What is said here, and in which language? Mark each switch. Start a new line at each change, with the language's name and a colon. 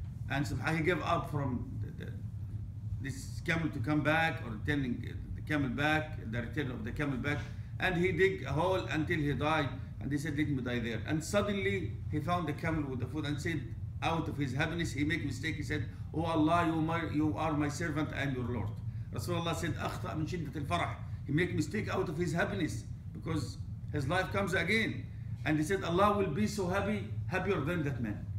English: And subhanahu he gave up from this camel to come back or returning the camel back, the return of the camel back. And he dig a hole until he died. And he said, let me die there. And suddenly he found the camel with the food and said, out of his happiness, he made a mistake. He said, oh Allah, you are my servant, I am your Lord. Rasulullah said,
Arabic: أخطأ من شدة الفرح.
English: He made a mistake out of his happiness because his life comes again. And he said, Allah will be so happy, happier than that man.